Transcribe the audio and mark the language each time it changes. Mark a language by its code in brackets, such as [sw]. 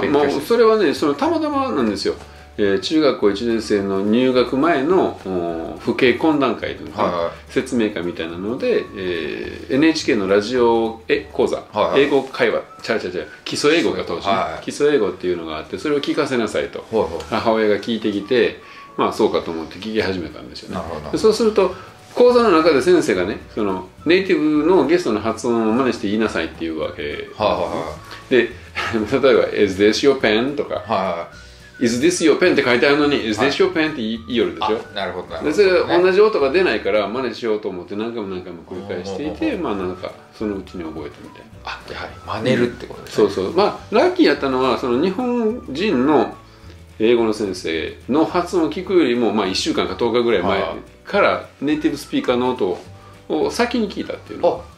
[ja] 強してるんですか？まあ、それはね、そのたまたまなんですよ。中学校1年生の入学前の父兄懇談会というか、はいはい、説明会みたいなので、NHK のラジオ講座、はいはい、英語会話、基礎英語が当時、基礎英語っていうのがあって、それを聞かせなさいと、はいはい、母親が聞いてきて、まあそうかと思って聞き始めたんですよね。なるほど。そうすると講座の中で先生がね、そのネイティブのゲストの発音を真似して言いなさいっていうわけ、はいはい、 [en] で、例えば「Is this your pen?」 [ja] とか、はいはい「Is this your pen?」って書いてあるのに「はい、Is this your pen?」って言いよるでしょ。なるほど、なるほど、ね。で、同じ音が出ないから真似しようと思って何回も何回も繰り返していて、まあなんかそのうちに覚えたみたいな。あ、やはり真似るってことですね。そうそう、まあラッキーやったのは、その日本人の英語の先生の発音を聞くよりも、まあ1週間か10日ぐらい前からネイティブスピーカーの音を先に聞いたっていうの